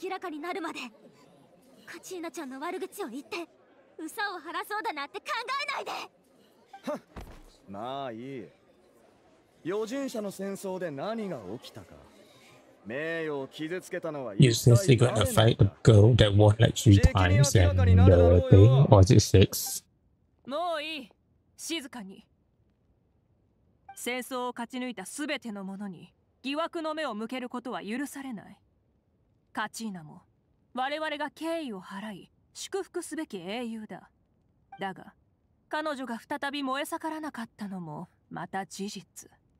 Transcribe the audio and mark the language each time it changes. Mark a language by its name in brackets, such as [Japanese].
[Japanese] 事情が明らかになるまでカチーナちゃんの悪口を言って憂さを晴らそうだなんて考えないで。まあいい。予従者の戦争で何が起きたか、名誉を傷つけたのは [English] You say you're gonna fight a girl that won like three times and the thing? Or is it six? [Japanese] もういい。静かに。戦争を勝ち抜いたすべての者に疑惑の目を向けることは許されない。カチーナも我々が敬意を払い祝福すべき英雄だ。だが彼女が再び燃え盛らなかったのもまた事実。